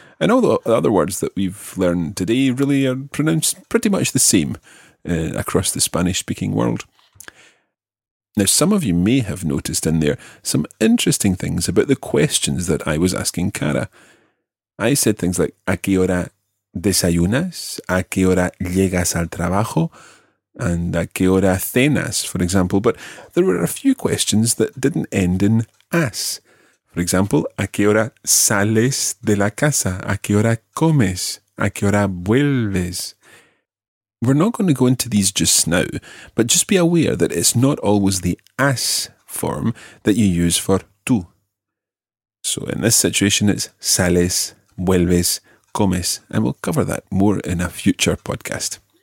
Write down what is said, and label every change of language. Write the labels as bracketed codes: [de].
[en] And all the other words that we've learned today really are pronounced pretty much the same across the Spanish-speaking world. Now, some of you may have noticed in there some interesting things about the questions that I was asking Cara. I said things like, [es] ¿a qué hora desayunas? ¿A qué hora llegas al trabajo? [en] And [es] ¿a qué hora cenas?, [en] for example. But there were a few questions that didn't end in as. For example, [es] ¿a qué hora sales de la casa? ¿A qué hora comes? ¿A qué hora vuelves? [en] We're not going to go into these just now, but just be aware that it's not always the as form that you use for tú. So in this situation, it's sales, vuelves, comes, and we'll cover that more in a future podcast.